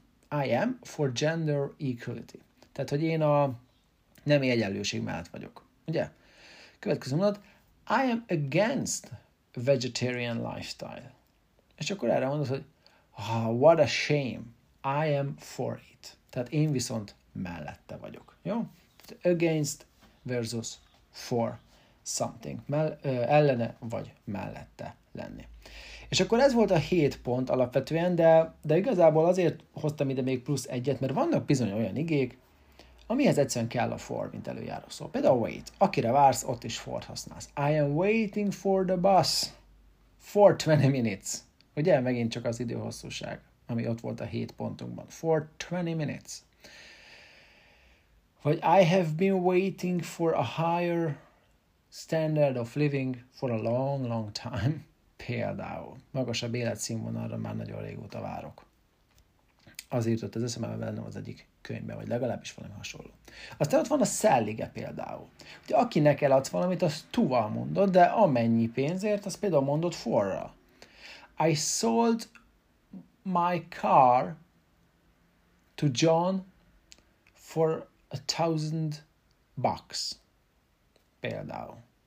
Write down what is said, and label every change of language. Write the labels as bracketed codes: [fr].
[en] I am for gender equality. [hu] Tehát, hogy én a nemi egyenlőség mellett vagyok. Ugye? Következő mondat, [en] I am against vegetarian lifestyle. [hu] És akkor erre mondod, hogy [en] what a shame. I am for it. [hu] Tehát én viszont mellette vagyok. Jó? [en] Against versus for something. [hu] Ellene vagy mellette lenni. És akkor ez volt a 7 pont alapvetően, de igazából azért hoztam ide még plusz egyet, mert vannak bizony olyan igék, amihez egyszerűen kell a for, mint előjáró szó. Például wait. Akire vársz, ott is for használsz. [en] I am waiting for the bus. For 20 minutes. [hu] Ugye? Megint csak az időhosszúság, ami ott volt a 7 pontunkban. [en] For 20 minutes. [hu] Vagy [en] I have been waiting for a higher standard of living for a long, long time. [hu] Például. Magasabb életszínvonalra már nagyon régóta várok. Azért jutott az eszembe bennem az egyik könyvben, vagy legalábbis valami hasonló. Aztán ott van a szellige például. Ugye akinek eladsz valamit, az tuval mondod, de amennyi pénzért, az például mondod forra. [en] I sold my car to John for $1,000 [hu] például.